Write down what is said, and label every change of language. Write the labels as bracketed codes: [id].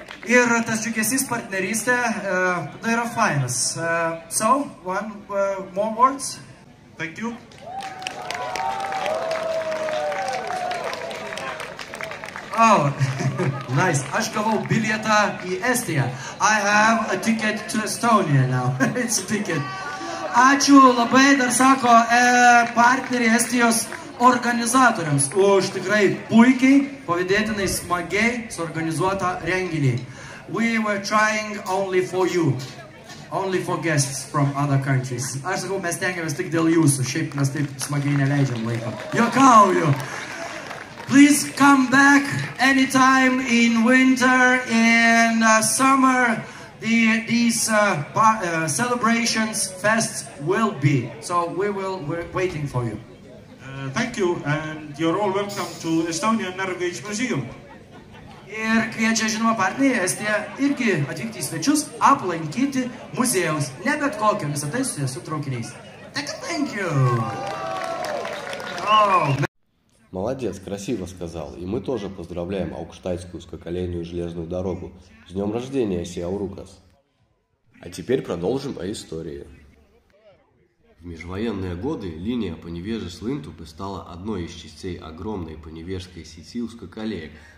[lt] Ir tas džiugesys partnerystė, tai yra fainas. [en] So, one more words. Thank you. Oh, nice. [lt] Aš gavau bilietą į Estiją. [en] I have a ticket to Estonia now. It's a ticket. [lt] Ačiū labai, dar sako partneriai Estijos organizatoriams už tikrai puikiai, pavydėtinai smagiai suorganizuotą renginį. [en] We were trying only for you. Only for guests from other countries. [lt] Aš sakau, mes tengiamės tik dėl jūsų. Šiaip mes taip smagiai neleidžiam laiką. Jokauju. [en] Please come back anytime in winter, in summer, celebrations, fests will be. So we're waiting for you. Thank you, and you're all welcome to Estonian Narvich Museum. [lt] Ir kviečia žinoma partneriai Estija irgi atvykti į svečius, aplankyti muziejaus. Ne bet kokio, visą tai su traukiniais. [en] Thank you! [ru] Молодец, красиво сказал. И мы тоже поздравляем Аукштайтскую узкоколейную железную дорогу. С днем рождения, Сиаурукас! А теперь продолжим о истории. В межвоенные годы линия по Поневежи с Лынтупы стала одной из частей огромной поневежской сети узкоколеек.